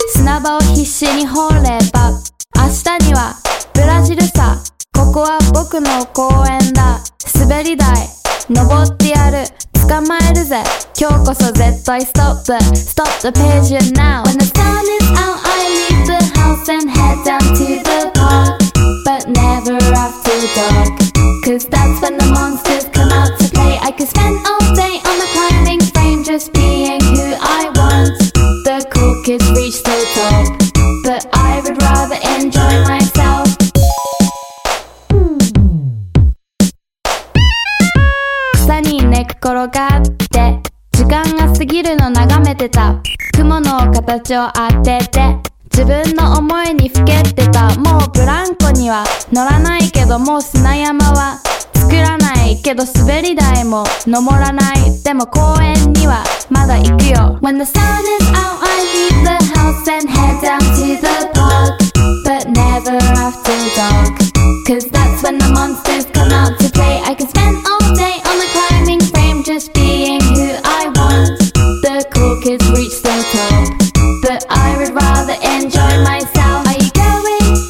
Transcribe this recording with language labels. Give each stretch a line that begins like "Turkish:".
Japanese: 砂場を必死に掘れば明日にはブラジルさ。ここは僕の公園だ。滑り台登ってやる、捕まえるぜ。今日こそ絶対ストップ
English: Stop the page and now. When the sun is out I leave the house and head down to the park, but never after dark, cause that's when the monsters come out to play. I could spend all day on the climbing frame just being who I want. The cool kids reach the top, but I would rather enjoy myself
Japanese: ところがあって時間が過ぎるの眺めてた。雲の形を当てて自分の思いにふけてた。もうブランコには乗らないけど、もう砂山は作らないけど、滑り台も登らない。でも公園にはまだ行くよ。
English: When the sun is out I leave the house and head down to the park, but never after dark, cause that's when the monsters come out to play. I can spend all day on the climbing frame just being who I want. The cool kids reach the top, but I would rather enjoy myself. Are you going?